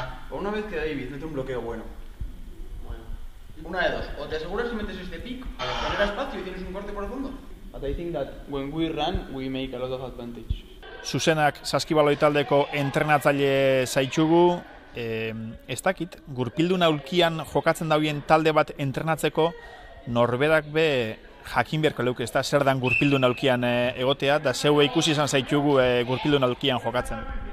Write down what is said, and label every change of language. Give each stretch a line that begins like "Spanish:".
Spanish: Una vez que David mete un bloqueo bueno. Una de dos, o te aseguras que metes este pick, o genera espacio y tienes un corte por el fondo.
English: But I think that when we run, we make a lot of advantage.
Basque: Zuzenak Saskibaloi taldeko entrenatzaile zaitxugu. Ez dakit, gurpildun aulkian jokatzen dauen talde bat entrenatzeko norberak be jakin beharko leuke, ez da, zer dan gurpildun aulkian egotea, da zeue ikusi izan zaitugu gurpildun aulkian jokatzen.